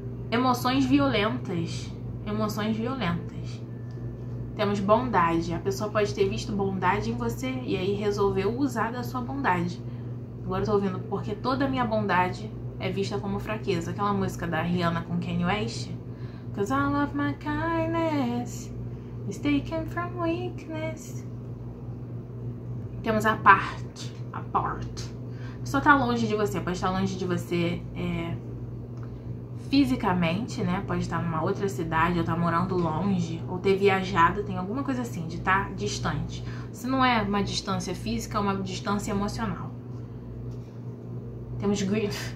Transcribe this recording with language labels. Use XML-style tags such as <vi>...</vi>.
<pt>Emoções violentas. Emoções violentas. Temos bondade. A pessoa pode ter visto bondade em você e aí resolveu usar da sua bondade. Agora eu tô ouvindo, porque toda a minha bondade é vista como fraqueza. Aquela música da Rihanna com Kanye West.</pt> <en>Because all of my kindness is taken from weakness.</en> <pt>Temos a parte. A parte. A pessoa tá longe de você. Pode estar longe de você fisicamente, né? Pode estar numa outra cidade, ou tá morando longe, ou ter viajado. Tem alguma coisa assim, de estar distante. Se não é uma distância física, é uma distância emocional. Temos greed.</pt>